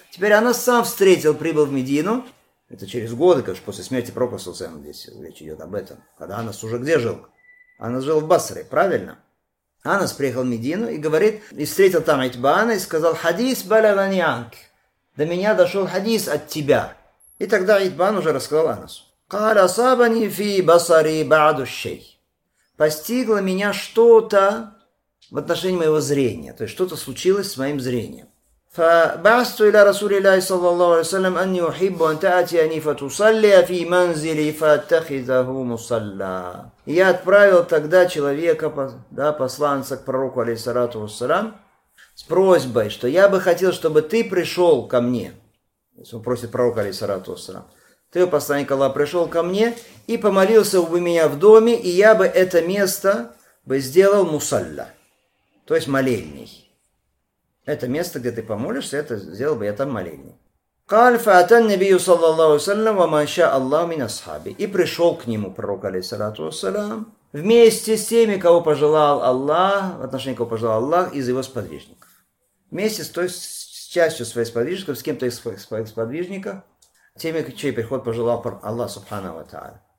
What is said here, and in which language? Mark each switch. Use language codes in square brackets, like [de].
[ru] Теперь Анас сам встретил, прибыл в Медину. Это через годы, конечно, после смерти пророка саллаллаху алейхи ва саллям, здесь речь идет об этом. Когда Анас уже где жил? Анас жил в Басре, правильно? Анас приехал в Медину и говорит, и встретил там Итбана и сказал: [ar] «Хадис балаганьянк, [ru] до меня дошел хадис от тебя». И тогда Итбан уже рассказал Анасу. [ar] قال أصابني في بصري بعض الشيء. [ru] Постигло меня что-то в отношении моего зрения. То есть что-то случилось с моим зрением. [ar] فبعثت إلى رسول الله صلى الله عليه وسلم أن يحب أن تأتيني فتصلي في منزلي فأتخذه مصلى. [ru] Я отправил тогда человека, да, посланца к пророку алейхиссалату вассалям, с просьбой, что я бы хотел, чтобы ты пришел ко мне. Он просит пророка алейхиссалату вассалям. Ты, посланник Аллаха, пришел ко мне и помолился бы меня в доме, и я бы это место бы сделал мусалля, то есть молельней. Это место, где ты помолишься, это сделал бы я там молельней. [ar] قال فأتن النبي صلى الله عليه وسلم وما شاء الله من أصحابه. [ru] И пришел к нему пророк алейхиссалату вассалям вместе с теми, кого пожелал Аллах, в отношении кого пожелал Аллах из его сподвижников. Вместе с той с частью своих сподвижников, с кем-то из своих сподвижников, теми, чей приход пожелал Аллах Субхана ва Тааля.